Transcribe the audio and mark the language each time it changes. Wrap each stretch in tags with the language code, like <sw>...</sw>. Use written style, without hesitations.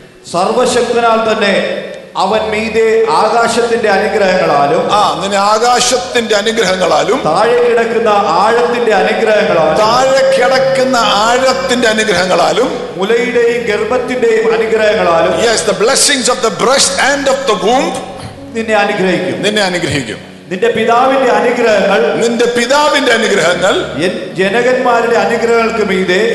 <ml>സർവശക്തനാൽ തന്നെ അവൻ മീതെ ആകാശത്തിന്റെ അനുഗ്രഹങ്ങളാലും താഴെ കിടക്കുന്ന ആഴത്തിന്റെ അനുഗ്രഹങ്ങളാലും മുലയുടെയും ഗർഭത്തിന്റെയും അനുഗ്രഹങ്ങളാലും</ml> <en>Yes, the blessings of the breast and of the womb</en> <ml>നിന്നെ അനുഗ്രഹിക്കും. നിന്റെ പിതാവിന്റെ അനുഗ്രഹങ്ങൾ ജനകന്മാരുടെ അനുഗ്രഹങ്ങൾക്ക് മീതെ</ml>